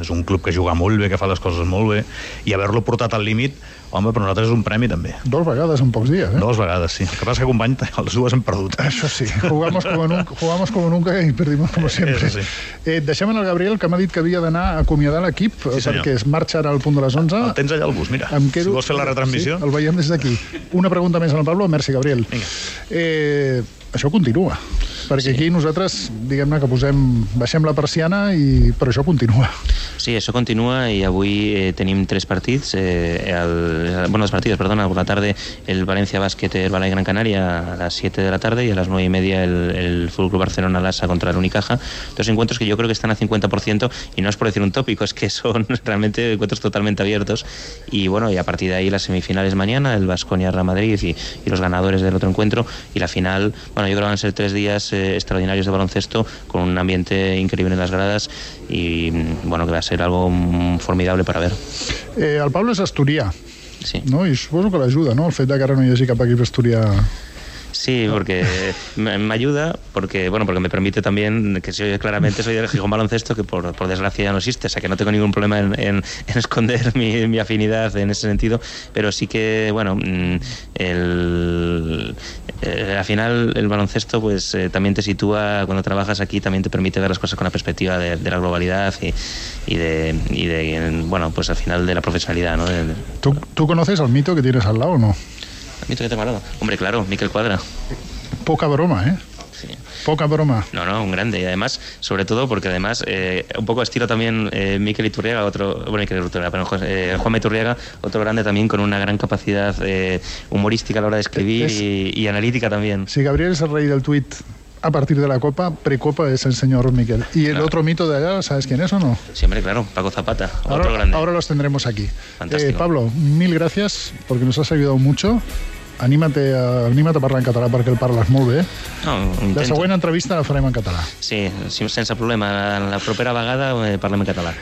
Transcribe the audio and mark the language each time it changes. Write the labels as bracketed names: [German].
[Catalan] És un club que juga molt bé, que fa les coses molt bé, i haver-lo portat al límit, home, per nosaltres és un premi també. Dos vegades en pocs dies, eh? Dos vegades, sí. El que passa és que, company, els dues hem perdut. Això sí, [Spanish] jugamos como nunca y perdimos como siempre. Sí. [Catalan] Deixem en el Gabriel, que m'ha dit que havia d'anar a acomiadar l'equip, sí, perquè es marxa ara al punt de les 11. El tens allà al bus, mira. Quedo... Si vols fer la retransmissió. Sí, el veiem des d'aquí. Una pregunta més al Pablo. Merci, Gabriel. Vinga. Això continua, perquè sí. Aquí nosaltres, diguem-ne, que baixem la persiana, i però això continua. Sí, això continua, i avui tenim tres partits, a la tarda el València Bàsquet, el Balai Gran Canària a les 7 de la tarda, i a les 9 i media el Fútbol Club Barcelona Lassa contra el Unicaja. [Spanish] Dos encuentros que yo creo que están a 50%, y no es por decir un tópico, es que son realmente encuentros totalmente abiertos. Y bueno, y a partir de ahí las semifinales mañana, el Baskonia Real Madrid y los ganadores del otro encuentro, y la final. Bueno, yo creo que van a ser tres días extraordinarios de baloncesto, con un ambiente increíble en las gradas, y bueno, que va a ser algo formidable para ver. [Catalan] El Pablo es asturià, sí. ¿No? Y supongo que l'ajuda, ¿no?, el fet de que ara no hi hagi cap equip asturià. [Spanish] Sí, porque me ayuda, porque bueno, porque me permite también, que soy, claramente soy del Gijón Baloncesto, que por desgracia ya no existe, o sea que no tengo ningún problema en esconder mi afinidad en ese sentido, pero sí que, bueno, al final el baloncesto pues también te sitúa, cuando trabajas aquí también te permite ver las cosas con la perspectiva de la globalidad y de bueno, pues al final de la profesionalidad, ¿no? ¿Tú conoces al mito que tienes al lado o no? Mito que tengo al lado. Hombre, claro, Miquel Cuadra. Poca broma, ¿eh? Sí. Poca broma. No, un grande. Y además, sobre todo, porque además, un poco estilo también Miquel Iturriaga, Juanma Iturriaga, otro grande también, con una gran capacidad humorística a la hora de escribir y analítica también. Sí, Gabriel es el rey del tuit. A partir de la Copa, precopa es el señor Miquel. Y el claro. Otro mito de allá, ¿sabes quién es o no? Sí, hombre, claro, Paco Zapata, ahora, otro grande. Ahora los tendremos aquí. Fantástico. Pablo, mil gracias, porque nos has ayudado mucho. [Catalan] Anímate a parlar en català, perquè el parles molt bé. No, la següent entrevista la farem en català. Sí, sense problema. La propera vegada parlem en català.